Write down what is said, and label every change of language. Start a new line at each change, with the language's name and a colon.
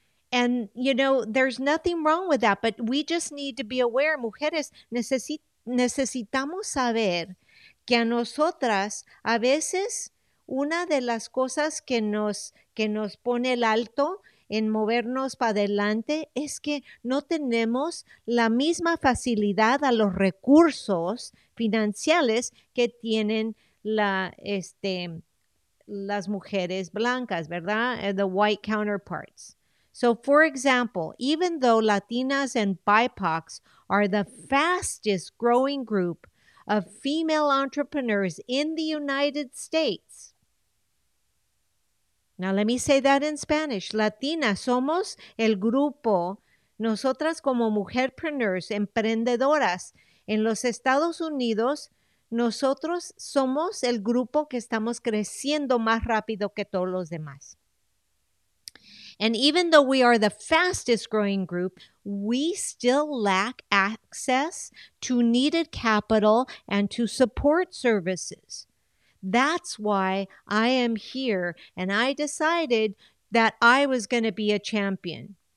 English: And, you know, there's nothing wrong with that, but we just need to be aware,
Spanish: mujeres, necesitamos saber que a nosotras, a veces, una de las cosas que nos pone el alto en movernos para adelante es que no tenemos la misma facilidad a los recursos financieros que tienen las mujeres blancas, ¿verdad?
English: The white counterparts. So, for example, even though Latinas and BIPOCs are the fastest growing group of female entrepreneurs in the United States. Now, let me say that in Spanish.
Spanish: Latinas, somos el grupo, nosotras como mujerpreneurs, emprendedoras, en los Estados Unidos, nosotros somos el grupo que estamos creciendo más rápido que todos los demás.
English: And even though we are the fastest growing group, we still lack access to needed capital and to support services. That's why I am here and I decided that I was going to be a champion.